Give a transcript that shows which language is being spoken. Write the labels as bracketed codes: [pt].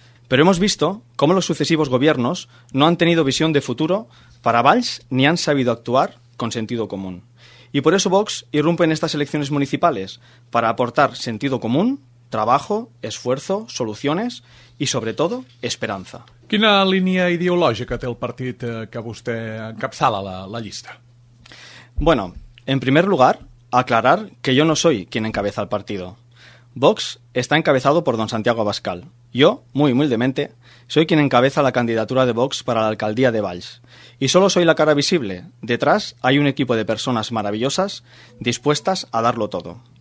[es] Pero hemos visto cómo los sucesivos gobiernos no han tenido visión de futuro para Valls ni han sabido actuar con sentido común. Y por eso Vox irrumpe en estas elecciones municipales, para aportar sentido común, trabajo, esfuerzo, soluciones y, sobre todo, esperanza. [ca] Quina línia ideològica té el partit que vostè encapçala la llista? [es] Bueno, en primer lugar, aclarar que yo no soy quien encabeza el partido. Vox está encabezado por don Santiago Abascal. Yo, muy humildemente, soy quien encabeza la candidatura de Vox para la alcaldía de Valls. Y solo soy la cara visible. Detrás hay un equipo de personas maravillosas dispuestas a darlo todo.